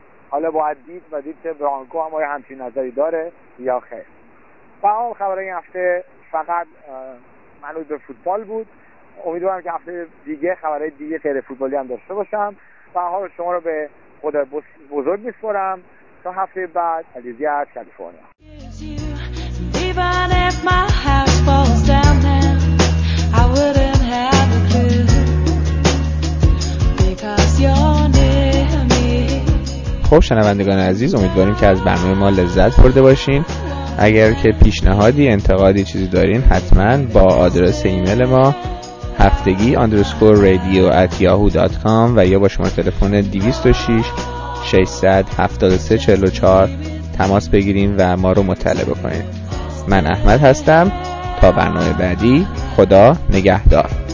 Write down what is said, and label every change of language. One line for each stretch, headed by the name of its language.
Persian: حالا باید دید و دید که برانکو هم آیا همچین نظری داره یا خیر. و حال خبر این هفته فقط منوط به فوتبال بود. امیدوارم که هفته دیگه خبرهای دیگه غیر فوتبالی هم داشته باشم و حال شما رو به خدا بزرگ میسپارم تا هفته بعد. علیزی از کالیفرنیا.
English: Even if my house falls down now, I wouldn't have a clue, because you're near me.
Persian: خب شنوندگان عزیز، امیدواریم که از برنامه ما لذت برده باشین. اگر که پیشنهادی، انتقادی، چیزی دارین، حتما با آدرس ایمیل ما haftegi_radio@yahoo.com و یا با شماره تلفن 206-600-7344 تماس بگیریم و ما رو مطلع بکنیم. من احمد هستم. تا برنامه بعدی، خدا نگهدار.